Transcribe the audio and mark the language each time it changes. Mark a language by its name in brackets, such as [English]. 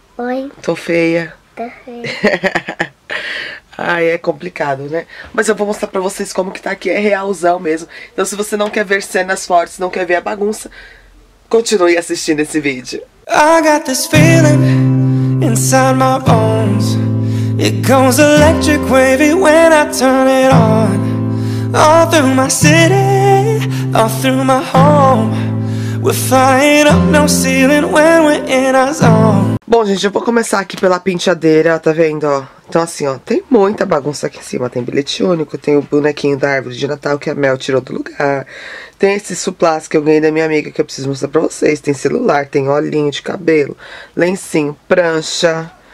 [Portuguese] Oi. Tô feia. Tô feia. Ai, é complicado, né? Mas eu vou mostrar pra vocês como que tá aqui. É realzão mesmo. Então se você não quer ver cenas fortes, não quer ver a bagunça, continue assistindo esse vídeo. [English] I got this feeling inside my bones. It goes electric wavy when I turn it on. All through my city, all through my home. We're flying up no ceiling when we're in our zone. [Portuguese] Bom, gente, eu vou começar aqui pela penteadeira, tá vendo, ó? Então assim, ó, tem muita bagunça aqui em cima. Tem bilhete único, tem o bonequinho da árvore de Natal que a Mel tirou do lugar. Tem esses suplás que eu ganhei da minha amiga que eu preciso mostrar pra vocês. Tem celular, tem olhinho de cabelo, lencinho, prancha.